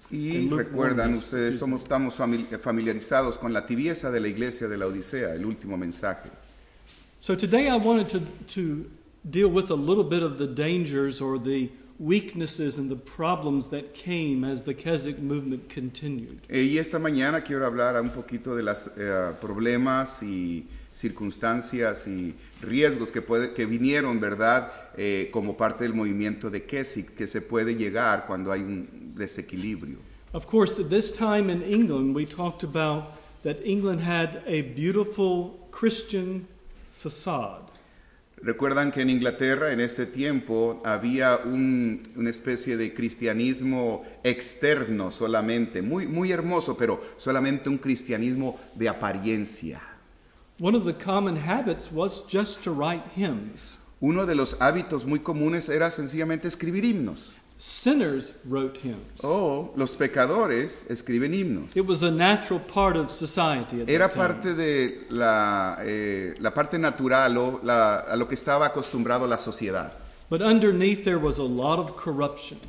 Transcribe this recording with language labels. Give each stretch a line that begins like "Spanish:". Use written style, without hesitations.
Spanish: Y recuerdan ustedes, estamos familiarizados con la tibieza de la iglesia de la Odisea, el último mensaje.
English: So today I wanted to deal with a little bit of the dangers or the weaknesses and the problems that came as the Keswick movement continued.
Spanish: Y esta mañana quiero hablar un poquito de los problemas y circunstancias y riesgos que vinieron, ¿verdad?, como parte del movimiento de Keswick, que se puede llegar cuando hay un desequilibrio.
English: Of course, at this time in England, we talked about that England had a beautiful Christian facade.
Spanish: Recuerdan que en Inglaterra, en este tiempo, había una especie de cristianismo externo solamente, muy, muy hermoso, pero solamente un cristianismo de apariencia.
English: One of the common habits was just to write hymns.
Spanish: Uno de los hábitos muy comunes era sencillamente escribir himnos.
English: Sinners wrote hymns.
Spanish: Oh, los pecadores escriben himnos.
English: It was a natural part of society at that time.
Spanish: Era parte de la parte natural o a lo que estaba acostumbrado la sociedad.
English: But underneath there was a lot of corruption.